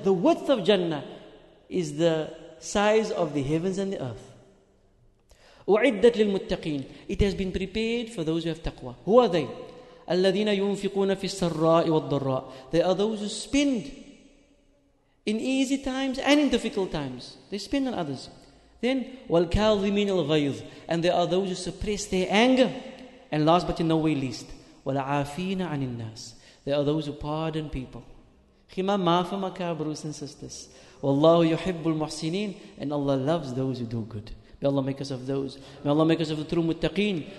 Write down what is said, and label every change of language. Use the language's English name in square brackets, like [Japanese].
[English] The width of Jannah is the size of the heavens and the earth. [Arabic] أُعِدَّتْ لِلْمُتَّقِينَ. [English] It has been prepared for those who have taqwa. Who are they? [Arabic] الَّذِينَ يُنْفِقُونَ فِي السَّرَّاءِ وَالضَّرَّاءِ. [English] They are those who spend in easy times and in difficult times. They spend on others. Then, [Arabic] وَالْكَاظِمِينَ الْغَيْظِ. [English] And they are those who suppress their anger. And last but in no way least, [Arabic] وَالْعَافِينَ عَنِ النَّاسِ. [English] They are those who pardon people. خِمَا مَا فَمَكَا, brothers and sisters. [Arabic] وَاللَّهُ يُحِبُّ الْمُحْسِنِينَ. [English] And Allah loves those who do good. May Allah make us of those. May Allah make us of the true muttaqeen.